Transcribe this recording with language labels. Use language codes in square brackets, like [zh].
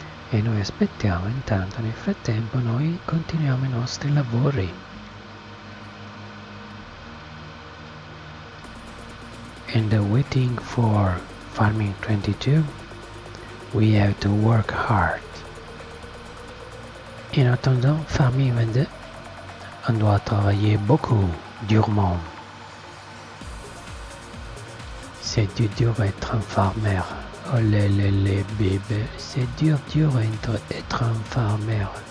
[it] E noi aspettiamo, intanto nel frattempo noi continuiamo i nostri lavori. [en] And waiting for Farming 22, we have to work hard. [fr] En attendant Farming 22, on doit travailler beaucoup, durement. C'est dur être un farmer. Oh les bébés, c'est dur être un farmer.